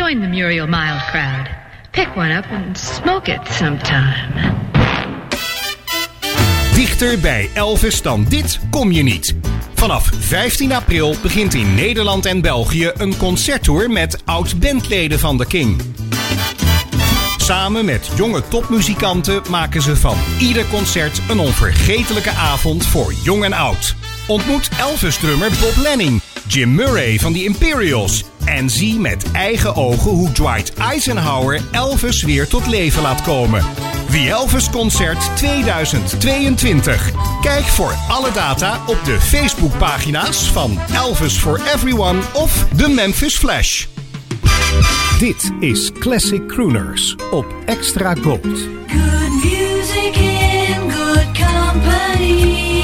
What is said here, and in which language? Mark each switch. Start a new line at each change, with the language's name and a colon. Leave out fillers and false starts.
English: Muriel Mild crowd. Pick one up and smoke it sometime.
Dutch: Dichter bij Elvis dan dit kom je niet. Vanaf 15 april begint in Nederland en België een concerttour met oud-bandleden van The King. Samen met jonge topmuzikanten maken ze van ieder concert een onvergetelijke avond voor jong en oud. Ontmoet Elvis-drummer Bob Lenning, Jim Murray van de Imperials. En zie met eigen ogen hoe Dwight Eisenhower Elvis weer tot leven laat komen.
English: The Elvis Concert 2022.
Dutch: Kijk voor alle data op de Facebookpagina's van Elvis for Everyone of The Memphis Flash. Dit is Classic Crooners op Extra Gold.
English: Good music in good company.